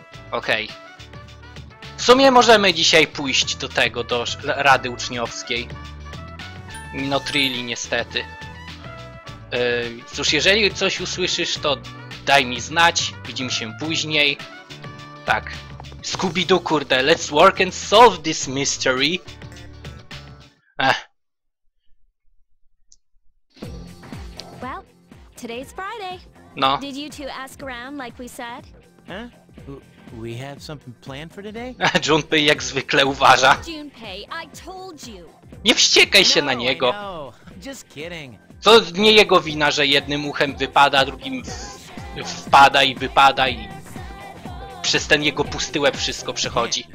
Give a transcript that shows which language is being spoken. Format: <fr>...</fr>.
<pl>Okej. W sumie możemy dzisiaj pójść do tego, do Rady Uczniowskiej. No trili niestety. Cóż, jeżeli coś usłyszysz, to daj mi znać. Widzimy się później. Tak.</pl> <en>Scooby-Doo, kurde, let's work and solve this mystery. Well, today's Friday. No. Did you two ask around like we said? Huh? We have something planned for today?</en> <pl>Junpei jak zwykle uważa.</pl> <en>Junpei, I told you.</en> <pl>Nie wściekaj się na niego.</pl> <en>Just kidding.</en> <pl>To nie jego wina, że jednym uchem wypada, drugim wpada i wypada i przez ten jego pusty łeb wszystko przechodzi.</pl>